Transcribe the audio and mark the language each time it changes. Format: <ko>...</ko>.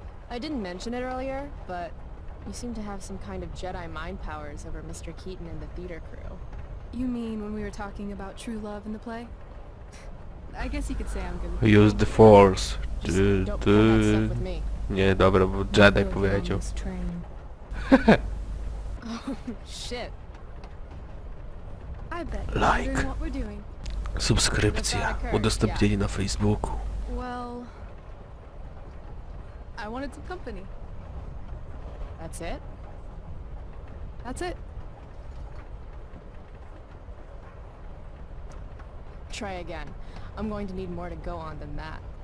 <en>I didn't mention it earlier, but you seem to have some kind of Jedi mind powers over Mr. Keaton and the theater crew. You mean when we were talking about true love in the play? I guess you could say I'm gonna use the force. Just don't play that stuff with me.</en> <pl>Nie, dobra, bo Jedi powiedział.</pl> <en>Oh shit. I bet like. What we're doing.</en> <pl>Subskrypcja. Udostępnienie na Facebooku.</pl> <en>Well, I wanted some company. That's it? That's it. Try again. I'm going to need more to go on than that.</en>